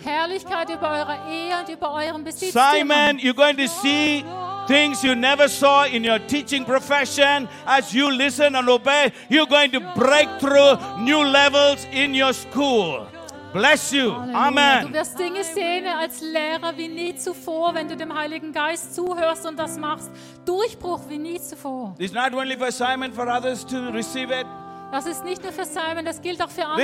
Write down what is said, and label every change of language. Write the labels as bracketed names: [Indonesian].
[German] Herrlichkeit über eure Ehe und über euren Besitz. [English] Simon, you're going to see things you never saw in your teaching profession. As you listen and obey, you're going to break through new levels in your school. Bless you. Amen. [German] Du wirst Dinge sehen als Lehrer wie nie zuvor, wenn du dem Heiligen Geist zuhörst und das machst. Durchbruch wie nie zuvor. [English] It's not only for Simon, for others to receive it. [German] Das ist nicht nur für Simon, das gilt auch für andere.